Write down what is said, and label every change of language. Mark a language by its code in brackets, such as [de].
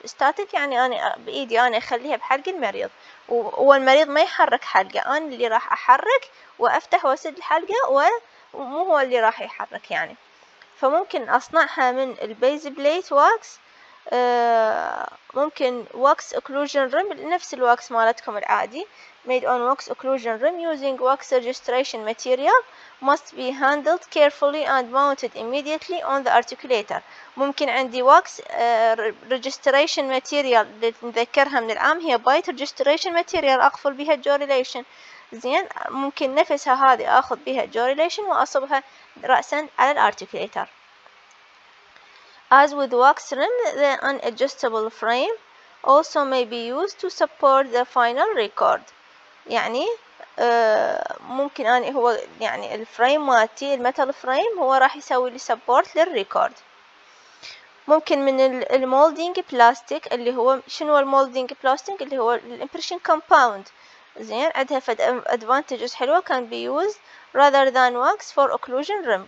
[ar] static يعني انا بايدي انا اخليها بحلق المريض، والمريض ما يحرك حلقه، انا اللي راح احرك وافتح واسد الحلقه ومو هو اللي راح يحرك يعني، فممكن اصنعها من base plate wax، ممكن واكس اوكلوجن ريم نفس الواكس مالتكم العادي [en] made on wax occlusion rim using wax registration material must be handled carefully and mounted immediately on the articulator. [ar] ممكن عندي [en] wax registration material [ar] نذكرها من العام، هي [en] bite registration material [ar] اقفل بها الجوريليشن زين ممكن نفسها هذه اخذ بها جوريليشن واصبها راسا على الارتكليتر. [en] As with wax rim, the unadjustable frame also may be used to support the final record. [ar] يعني ممكن أنا هو يعني الفريم مالتي المتل فريم هو راح يسوي لي سبورت للريكورد. ممكن من المولدينج بلاستيك اللي هو شنو المولدينج بلاستيك اللي هو الامبريشن كومباوند. زين عندها فد ادفانتجز حلوه كان بيوز [en] rather than wax for occlusion rim.